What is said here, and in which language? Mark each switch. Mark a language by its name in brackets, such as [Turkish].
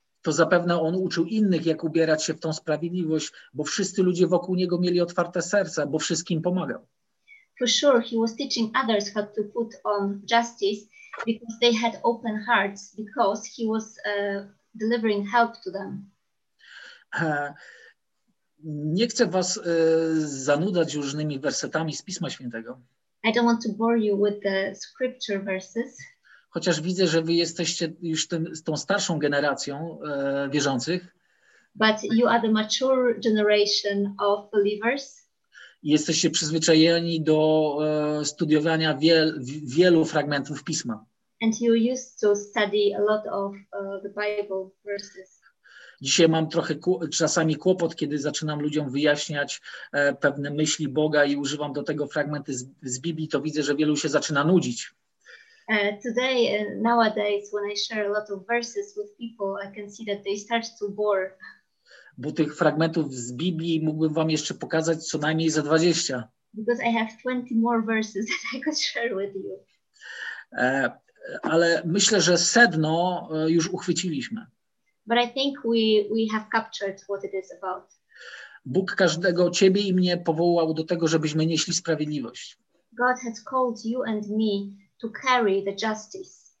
[Polish] to zapewne on uczył innych, jak ubierać się w tą sprawiedliwość, bo wszyscy ludzie wokół niego mieli otwarte serca, bo wszystkim pomagał. [English] For sure, he was teaching others how to put on justice because they had open hearts, because he was delivering help to them. [Polish] Nie chcę was zanudzać różnymi wersetami z Pisma Świętego. [English] I don't want to bore you with the scripture verses. [Polish] Chociaż widzę, że wy jesteście już tą starszą generacją wierzących. [English] But you are the mature generation of believers. [Polish] Jesteście przyzwyczajeni do studiowania wielu fragmentów Pisma. [English] And you used to study a lot of the Bible verses. [Polish] Dzisiaj mam trochę czasami kłopot, kiedy zaczynam ludziom wyjaśniać pewne myśli Boga i używam do tego fragmenty z Biblii, to widzę, że wielu się zaczyna nudzić. [English] Today, nowadays, when I share a lot of verses with people, I can see that they start to bore. [Polish] Bo tych fragmentów z Biblii mógłbym wam jeszcze pokazać co najmniej za 20. [English] Because I have 20 more verses that I could share with you. [Polish] Ale myślę, że sedno już uchwyciliśmy. [English] But I think we have captured what it is about. [Polish] Bóg każdego ciebie i mnie powołał do tego, żebyśmy nieśli sprawiedliwość. [English] God has called you and me to carry the justice.